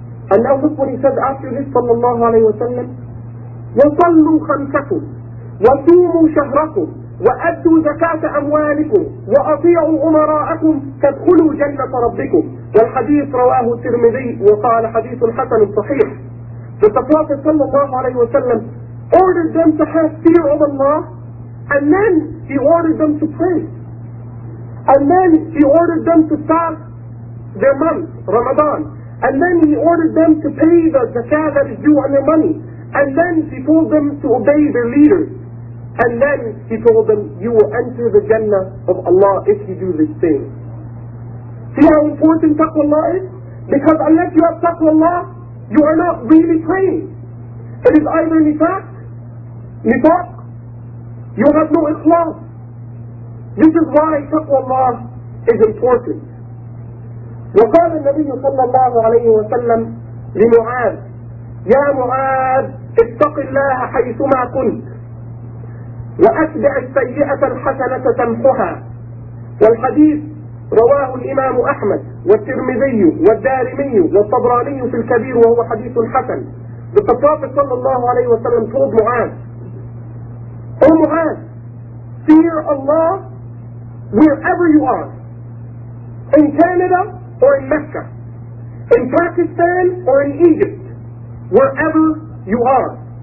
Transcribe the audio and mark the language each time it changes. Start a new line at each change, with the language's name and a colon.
English: And now look what he said after this
Arabic: صلى الله عليه وسلم وصلوا خمسكم وصوموا شهركم وأدوا زكاة أموالكم وأطيعوا أمراءكم تدخلوا جنة ربكم. والحديث رواه الترمذي وقال حديث حسن صحيح.
English: But the Prophet sallallahu alayhi wa sallam ordered them to have fear of Allah, and then he ordered them to pray. And then he ordered them to fast their month, Ramadan. And then he ordered them to pay the zakah that is due on their money. And then he told them to obey their leaders. And then he told them, you will enter the Jannah of Allah if you do this thing. See how important taqwallah is? Because unless you have taqwallah, you are not really praying. It is either nifaq, you have no ikhlas. This is why taqwallah is important.
Arabic: وقال النبي صلى الله عليه وسلم لمعاذ يا معاذ اتق الله حيثما كنت وأتبع السيئة الحسنة تمحها. والحديث رواه الإمام أحمد والترمذي والدارمي والطبراني في الكبير وهو حديث حسن. بالتطابق صلى الله عليه وسلم
English: told معاذ O معاذ fear Allah wherever you are, in Canada or in Mecca, in Pakistan or in Egypt, wherever you are.